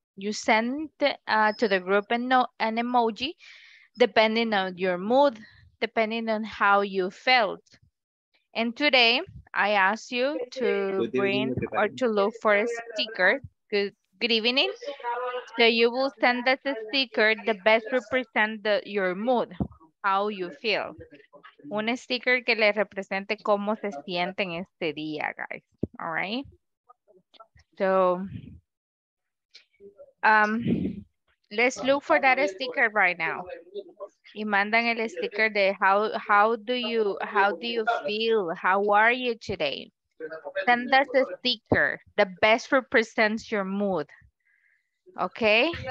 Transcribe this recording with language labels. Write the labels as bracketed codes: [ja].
[en] You sent to the group an emoji depending on your mood, depending on how you felt. And today I asked you to bring or to look for a sticker. Good evening. So you will send us a sticker that best represent your mood, how you feel. [es] Un sticker que le represente cómo se sienten este día, guys. [en] All right. So let's look for that sticker right now. [es] Y mandan el sticker de [en] how do you feel? How are you today? Send us a sticker that best represents your mood. Okay?